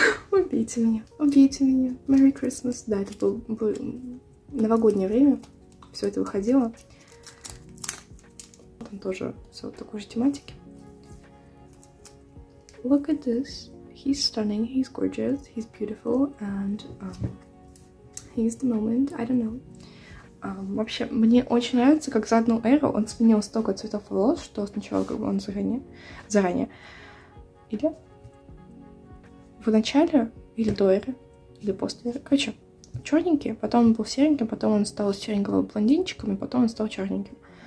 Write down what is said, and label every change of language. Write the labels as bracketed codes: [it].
[ru] Убейте меня, убейте меня. [en] Merry Christmas. [ru] Да, это было новогоднее время, все это выходило. Там тоже все вот такой же тематики. [en] Look at this. He's stunning, he's gorgeous, he's beautiful, and he's the moment, I don't know. [ru] Вообще, мне очень нравится, как за одну эру он сменил столько цветов волос, что сначала как бы он заранее. Или? В начале, или до эры, или после эры. Короче, черненький, потом он был сереньким, потом он стал серенького блондинчиком, и потом он стал черненьким.